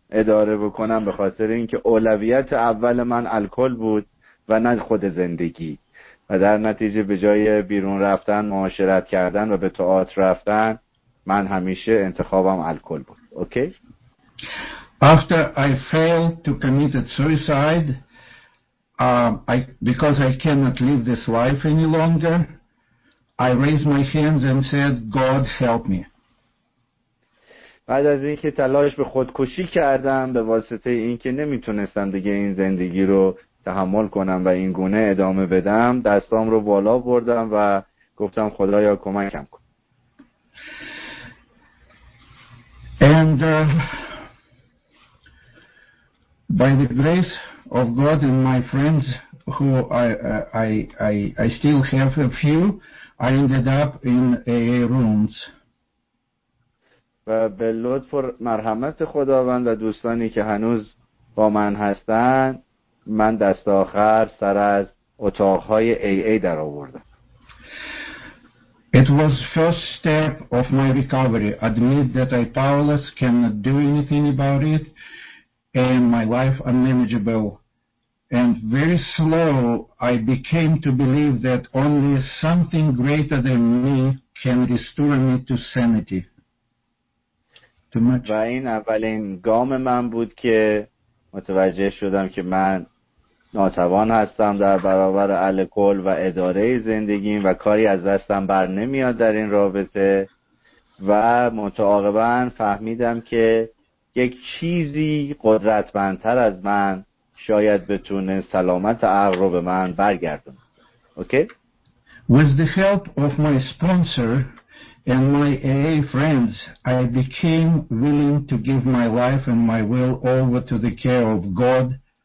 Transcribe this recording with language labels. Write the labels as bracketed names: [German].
[Persian] اداره بکنم به خاطر اینکه اولویت اول من الکل بود و نه خود زندگی، و در نتیجه به جای بیرون رفتن، معاشرت کردن و به تئاتر رفتن، من همیشه انتخابم الکل بود. [English] Okay? After I failed to commit suicide, because I cannot live this life any longer, I raised my hands and said, God help me. [Persian] بعد از اینکه تلاش به خودکشی کردم به واسطه اینکه نمیتونستم دیگه این زندگی رو تحمل کنم و این گونه ادامه بدم، دستام رو بالا بردم و گفتم خدایا کمکم کن. [English] And by the grace of God and my friends who I still have a few, I ended up in AA rooms. [Persian] و به لطف و مرحمت خداوند و دوستانی که هنوز با من هستن، من دست آخر سر از اتاق‌های AA در آوردم. [English] It was first step of my recovery. Admit that I powerless, cannot do anything about it, and my life unmanageable. And very slow, I became to believe that only something greater than me can restore me to sanity. Too much. [Persian] و این اولین گام من بود که متوجه شدم که من ناتوان هستم در برابر الکل و اداره زندگیم و کاری از دستم بر نمیاد در این رابطه، و متعاقبا فهمیدم که یک چیزی قدرتمندتر از من شاید بتونه سلامت عقل رو به من برگردون. [English] Okay? With the help of my sponsor and my AA friends, I became willing to give my life and my will over to the care of God.